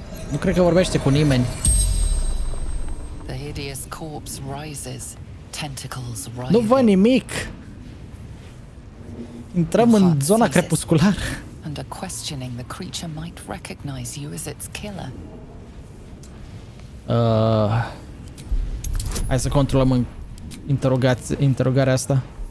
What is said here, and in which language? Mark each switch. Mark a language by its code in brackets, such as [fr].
[ro] Nu cred că vorbește cu nimeni. [en] The hideous corpse rises, tentacles rise. [ro] Nu văd nimic. Intrăm în zona crepusculară. [en] Under questioning, the creature might recognize you as its killer. [ro] Hai să controlăm interogarea asta.